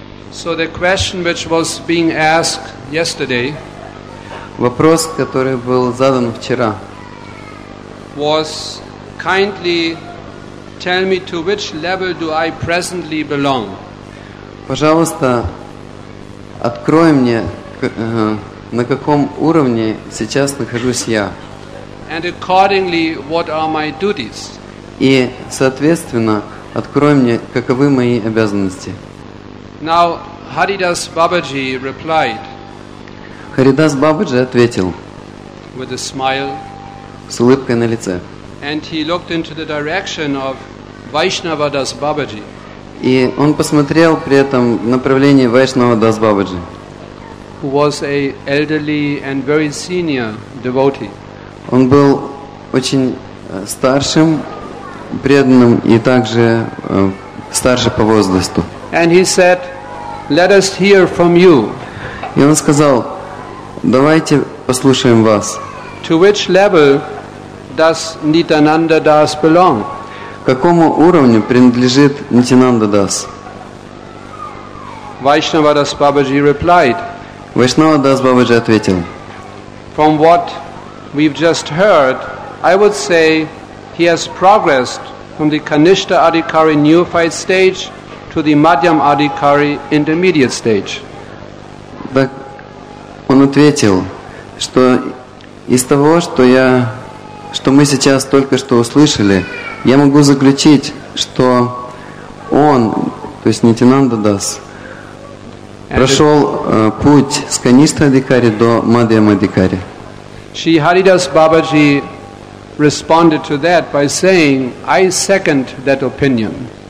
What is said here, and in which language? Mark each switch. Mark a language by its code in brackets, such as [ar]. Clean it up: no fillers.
[en] So the question which was being asked yesterday, [ru] вопрос, который был задан вчера, [en] was kindly tell me to which level do I presently belong? [ru] Пожалуйста, открой мне, на каком уровне сейчас нахожусь я. [en] And accordingly, what are my duties? [ru] И, соответственно, открой мне, каковы мои обязанности. [en] Now, Haridas Babaji replied. [ru] Haridas Babaji ответил. [en] With a smile. [ru] С улыбкой на лице. [en] And he looked into the direction of Vaishnava Das Babaji. [ru] И он посмотрел при этом в направлении Вайшнава Дас Бабаджи, [en] who was a elderly and very senior devotee. [ru] Он был очень старшим преданным и также старше по возрасту. [en] And he said, "Let us hear from you." [ru] И он сказал: "Давайте послушаем вас." [en] To which level does Nityananda Das belong? [ru] К какому уровню принадлежит Нитинанда Дас? [en] Vaishnava Das Babaji replied. [ru] Vaishnava Das Babaji ответил. [en] From what we've just heard, I would say he has progressed from the Kanishtha Adhikari neophyte stage to the Madhyam Adhikari intermediate stage. [ru] Так он ответил, что из того, что мы сейчас только что услышали, я могу заключить, что он, то есть Нитинанда Дас, прошел путь с Каништа Адикари до Мадхьям Адикари. [en] Shri Haridas Babaji responded to that by saying, "I second that opinion."